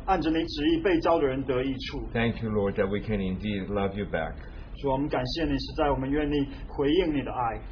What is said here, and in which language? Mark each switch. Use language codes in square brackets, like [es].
[zh] 就是为了万事互相效力，使那些按着你旨意被召的人得益处。 [en] Thank you, Lord, that we can indeed love you back. [zh] 主，我们感谢你，实在我们愿意回应你的爱。